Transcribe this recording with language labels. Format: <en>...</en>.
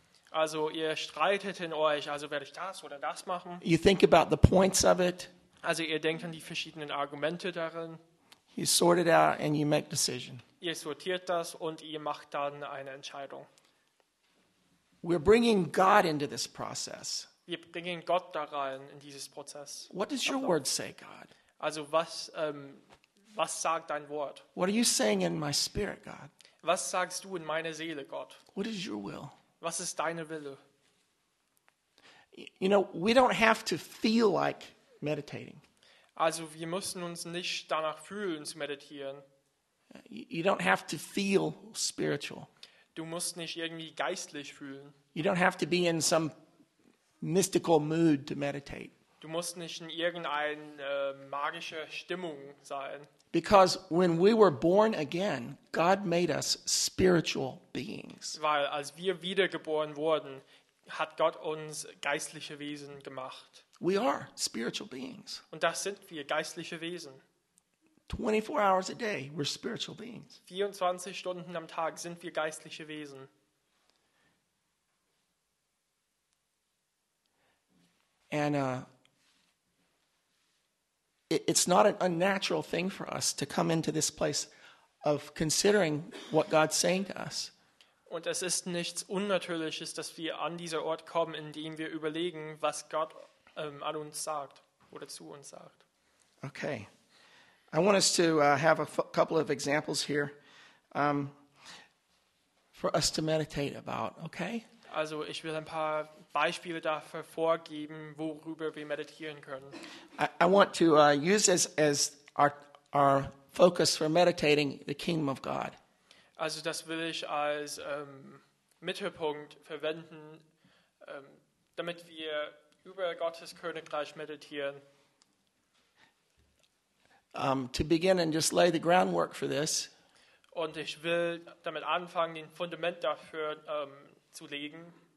<de>Also ihr streitet in euch, also werde ich das oder das machen.</de> <en>You think about the points of it.</en> <de>Also ihr denkt an die verschiedenen Argumente darin.</de> <en>You sort it out and you make decision.</en> <de>Ihr sortiert das und ihr macht dann eine Entscheidung.</de> <en>We're bringing God into this process.</en> <de>Wir bringen Gott da rein in dieses Prozess.</de> <en>What does your word say, God?</en> <de>Also was was sagt dein Wort?</de> <en>What are you saying in my spirit, God?</en> <de>Was sagst du in meiner Seele, Gott?</de> <en>What is your will?</en> <de>Was ist deine Wille?</de> <en>You know, we don't have to feel like meditating.</en> <de>Also wir müssen uns nicht danach fühlen zu meditieren.</de> <en>You don't have to feel spiritual.</en> <de>Du musst nicht irgendwie geistlich fühlen.</de> <en>You don't have to be in some mystical mood to meditate.</en> <de>Du musst nicht in irgendeine magische Stimmung sein.</de> <en>Because when we were born again, God made us spiritual beings.</en> <de>Weil als wir wiedergeboren wurden, hat Gott uns geistliche Wesen gemacht.</de> <en>We are spiritual beings.</en> <de>Und das sind wir, geistliche Wesen.</de> <en>24 hours a day, we're spiritual beings.</en> <de>24 Stunden am Tag sind wir geistliche Wesen.</de> <en>And it's not an unnatural thing for us to come into this place of considering what God's saying to us.</en> <de>Und es ist nichts Unnatürliches, dass wir an dieser Ort kommen, in dem wir überlegen, was Gott an uns sagt oder zu uns sagt.</de> <en>Okay. I want us to have a couple of examples here for us to meditate about, okay?</en> <de>Also ich will ein paar Beispiele dafür vorgeben, worüber wir meditieren können.</de> <en>I want to use as our focus for meditating the kingdom of God.</en> <de>Also das will ich als Mittelpunkt verwenden, damit wir über Gottes Königreich meditieren.</de> <en>To begin and just lay the groundwork for this.</en> <de>Und ich will damit anfangen, den Fundament dafür zu legen.</de>